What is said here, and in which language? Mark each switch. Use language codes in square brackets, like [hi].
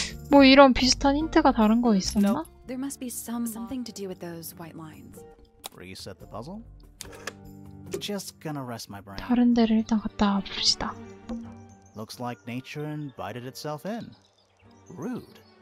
[ko] 뭐 이런 비슷한 힌트가 다른 거 있었나? [en] No. There must be something to do with those white lines. Reset the puzzle. Just gonna rest my brain. [ko] 다른 데를 일단 갔다 봅시다. [en] Looks like nature invited itself in. Rude.